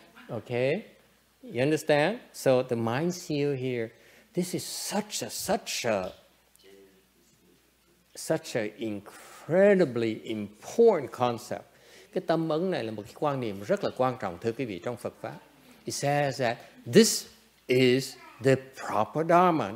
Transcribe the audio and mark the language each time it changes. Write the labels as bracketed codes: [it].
[en] Okay, you understand? So the mind seal here, this is such a incredibly important concept. [vi] Cái tâm ấn này là một cái quan niệm rất là quan trọng, thưa quý vị, trong Phật Pháp. [en] It says that this is the proper Dharma.